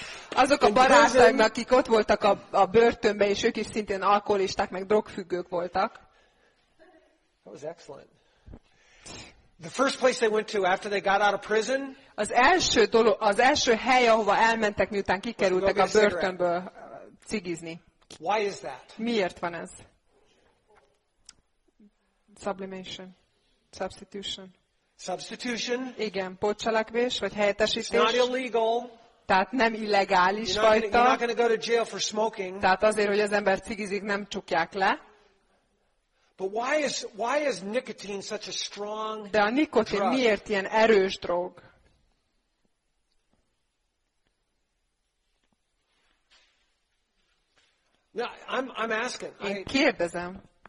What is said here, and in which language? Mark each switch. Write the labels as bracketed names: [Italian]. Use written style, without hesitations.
[Hungarian] Azok a barátaim, akik ott voltak a börtönben, és ők is szintén alkoholisták, meg drogfüggők voltak. [English] That was excellent. The first place they went to after they got out of prison. [Hungarian] Az első hely, ahova elmentek, miután kikerültek a börtönből cigizni. [English] Why is that? [Hungarian] Miért van ez? Sublimation. [English] Substitution. Substitution. [Hungarian] Igen, pótcselekvés, vagy helyettesítés. [English] It's not illegal. [Hungarian] Tehát nem illegális fajta. [English] You're not going to go to jail for smoking. [Hungarian] Tehát azért, hogy az ember cigizik, nem csukják le. [English] But why is nicotine such a strong drug? [Hungarian] De a nikotin miért ilyen erős drog? [English] No, I'm asking. [Hungarian] Én kérdezem.